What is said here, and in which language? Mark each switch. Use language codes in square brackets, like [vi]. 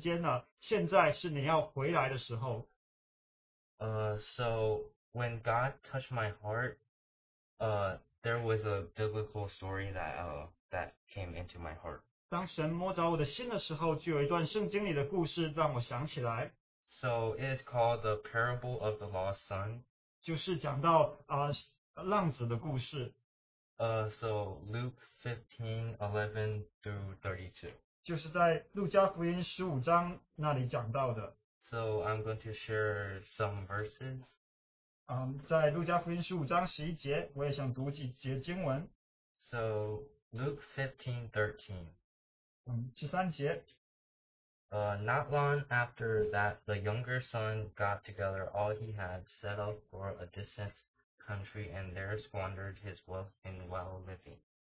[zh] 神就对我说，你已经离开我一段时间了，现在是你要回来的时候。 [en] So. When God touched my heart, there was a biblical story that came into my heart. [zh] 当神摸着我的心的时候，就有一段圣经里的故事让我想起来。 [en] So it is called the parable of the lost son. [zh] 就是讲到 浪子的故事。 [en] So Luke 15:11-32. [zh] 就是在路加福音15章那里讲到的。 [en] So I'm going to share some verses. [zh] 在路加福音15章11节，我也想读几节经文。 [en] So Luke 15:13. [zh] 13节。 [en] Not long after that, the younger son got together all he had, set out for a distant country, and there squandered his wealth in well living.